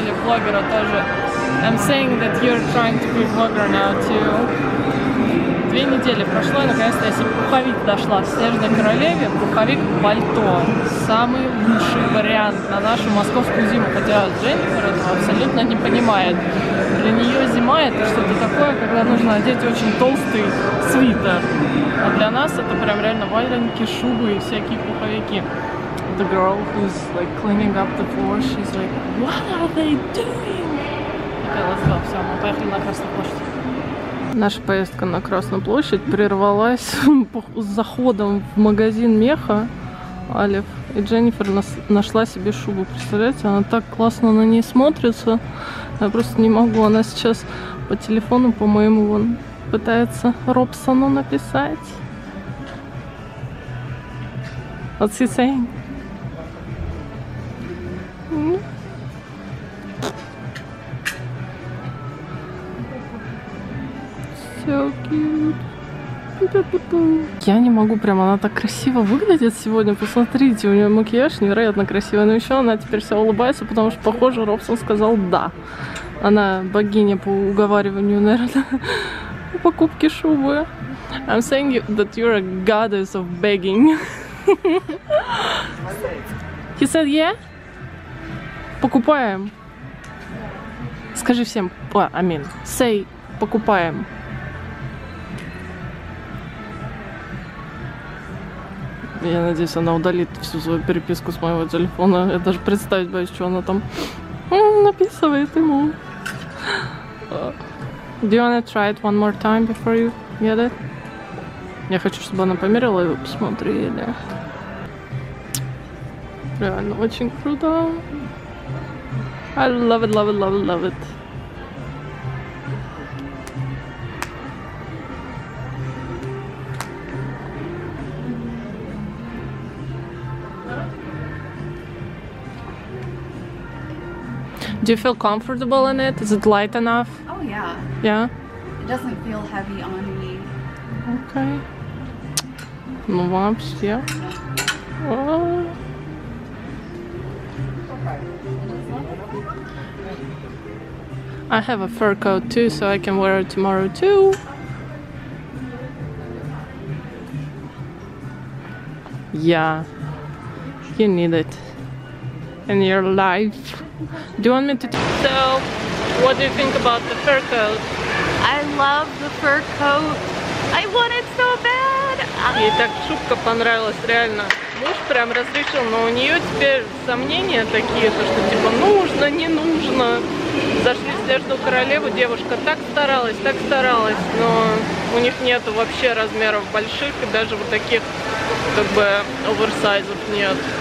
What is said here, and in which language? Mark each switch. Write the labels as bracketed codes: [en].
[en] I'm saying that you're trying to be a vlogger now too. [ru] 2 недели прошло, и наконец-то я себе пуховик дошла. Снежной королеве пуховик пальто. Самый лучший вариант на нашу московскую зиму. Хотя Дженнифер этого абсолютно не понимает. Для нее зима это что-то такое, когда нужно одеть очень толстый свитер. А для нас это прям реально валенки, шубы и всякие пуховики. [en] The girl who's like cleaning up the floor, she's like, what are they doing? Okay, let's go. [ru] Все, мы поехали на Красную площадь. Наша поездка на Красную площадь прервалась заходом в магазин меха Алиф. И Дженнифер нашла себе шубу. Представляете, она так классно на ней смотрится. Я просто не могу. Она сейчас по телефону, по-моему, вон пытается Робсону написать. [en] What's he saying? [ru] Я не могу, прям она так красиво выглядит сегодня. Посмотрите, у нее макияж невероятно красивый. Но еще она теперь вся улыбается, потому что, похоже, Робсон сказал да. Она богиня по уговариванию, наверное, покупки шубы. [en] I'm saying that you're a goddess of begging. He said yeah. [ru] Покупаем. Скажи всем, амин. [en] Say, [ru] покупаем. Я надеюсь, она удалит всю свою переписку с моего телефона. Я даже представить боюсь, что она там написывает ему. [en] Do you wanna try it one more time before you get it? [ru] Я хочу, чтобы она померила его, посмотрели. Реально очень круто. [en] I love it, love it, love it, love it. Do you feel comfortable in it? Is it light enough? Oh yeah. Yeah? It doesn't feel heavy on me. Okay. [ru] Ну вообще. [en] Yeah. I have a fur coat too, so I can wear it tomorrow too. Yeah. You need it in your life. Do you want me to tell? So, what do you think about the fur coat? I love the fur coat. I want it so bad. [ru] Ей так шубка понравилась, реально. Муж прям разрешил, но у нее теперь сомнения такие, что типа нужно, не нужно. Зашли в одежду королеву, девушка так старалась, но у них нету вообще размеров больших и даже вот таких как бы оверсайзов нет.